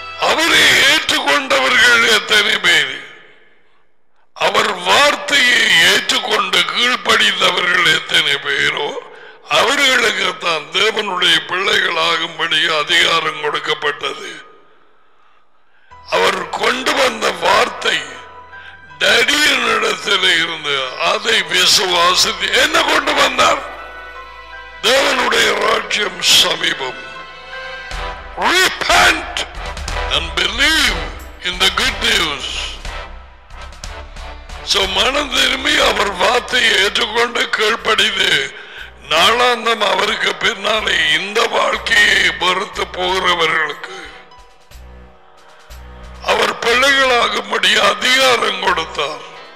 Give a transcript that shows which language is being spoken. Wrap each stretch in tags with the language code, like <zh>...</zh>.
<ta>அவரை ஏற்றுக்கொண்டவர்கள் எத்தனை பேர், அவர் வார்த்தையை ஏற்றுக்கொண்டு கீழ்ப்படிந்தவர்கள் எத்தனை பேரோ அவர்களுக்கு தான் தேவனுடைய பிள்ளைகளாகும்படி அதிகாரம் கொடுக்கப்பட்டது. அவர் கொண்டு வந்த வார்த்தை டடியனிடத்தில் இருந்து அதை விசுவாசித்து என்ன கொண்டு வந்தார், தேவனுடைய ராஜ்யம் சமீபம்.</ta> <en>Repent and believe in the good news.</en> <ta>So மனம் திரும்பி அவர் வார்த்தையை ஏற்றுக்கொண்டு கீழ்ப்படிந்து நாளாந்தம் அவருக்கு பின்னாலே இந்த வாழ்க்கையை பொறுத்து போகிறவர்களுக்கு அவர் பிள்ளைகளாகும்படி அதிகாரம் கொடுத்தார்.</ta>